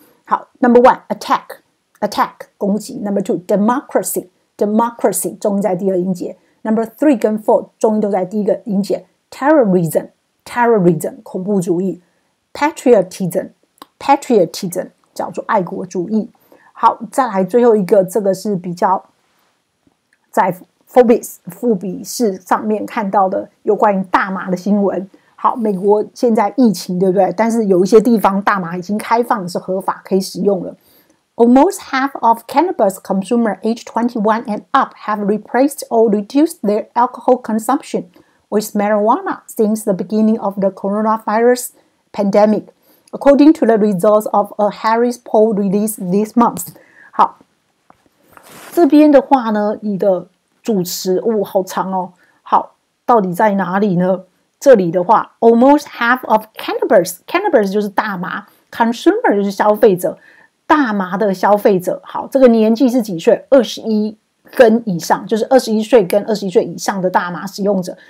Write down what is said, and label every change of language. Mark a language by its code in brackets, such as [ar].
[zh] 好 ， [en] Number one attack [zh] 攻击 ， [en] Number two democracy [zh] 终于在第二音节 ，Number three 跟 four 终于都在第一个音节 terrorism 恐怖主义 ，patriotism 叫做爱国主义。好，再来最后一个，这个是比较在 Forbes 富比士上面看到的有关于大麻的新闻。好，美国现在疫情，对不对？但是有一些地方大麻已经开放，是合法可以使用了。 [en] Almost half of cannabis consumers age 21 and up have replaced or reduced their alcohol consumption with marijuana since the beginning of the coronavirus pandemic, according to the results of a Harris poll released this month. [zh] 好，这边的话呢，你的主持物、哦、好长哦。好，到底在哪里呢？这里的话 ， [en] almost half of cannabis [zh] 就是大麻 ，consumer 就是消费者。大麻的消费者，好，这个年纪是几岁？21跟以上，就是21岁跟21岁以上的大麻使用者。